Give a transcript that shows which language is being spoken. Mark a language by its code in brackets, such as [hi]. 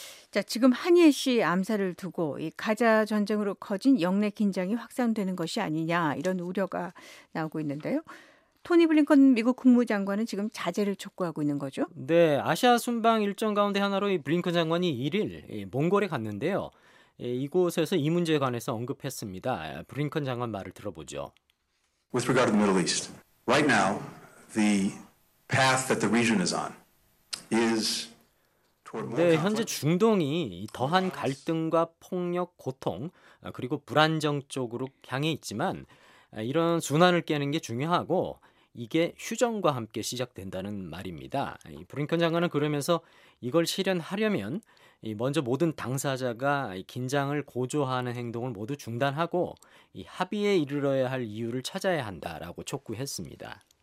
[ko] 자, 지금 하니에 씨 암살을 두고 이 가자 전쟁으로 커진 영내 긴장이 확산되는 것이 아니냐 이런 우려가 나오고 있는데요. 토니 블링컨 미국 국무장관은 지금 자제를 촉구하고 있는 거죠? 네, 아시아 순방 일정 가운데 하나로 이 블링컨 장관이 1일 몽골에 갔는데요. 이곳에서 이 문제에 관해서 언급했습니다. 블링컨 장관 말을 들어보죠. [en] With regard to the Middle East, right now the path that the region is on is [ko] 네, 현재 중동이 더한 갈등과 폭력, 고통, 그리고 불안정 쪽으로 향해 있지만 이런 순환을 깨는 게 중요하고 이게 휴전과 함께 시작된다는 말입니다. 브링컨 장관은 그러면서 이걸 실현하려면 먼저 모든 당사자가 긴장을 고조하는 행동을 모두 중단하고 합의에 이르러야 할 이유를 찾아야 한다라고 촉구했습니다.